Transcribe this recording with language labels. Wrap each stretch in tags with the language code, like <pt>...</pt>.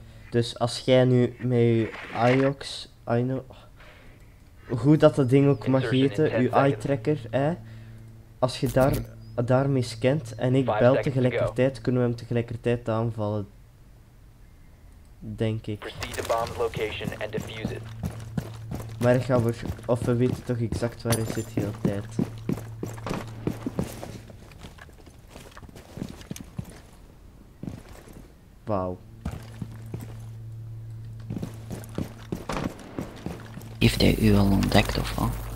<nl>Dus als jij nu met je Ajox,</nl> <en>I know,</en> <nl>hoe dat dat ding ook mag heten, je eye tracker, hè? Als je daarmee scant en ik bel tegelijkertijd, kunnen we hem tegelijkertijd aanvallen. Denk ik.</nl> <en>Proceed to bomb's location and defuse it.</en> <nl>Maar ik ga voor. Of we weten toch exact waar hij zit de hele tijd. Wauw. Heeft hij u al ontdekt of wat?</nl>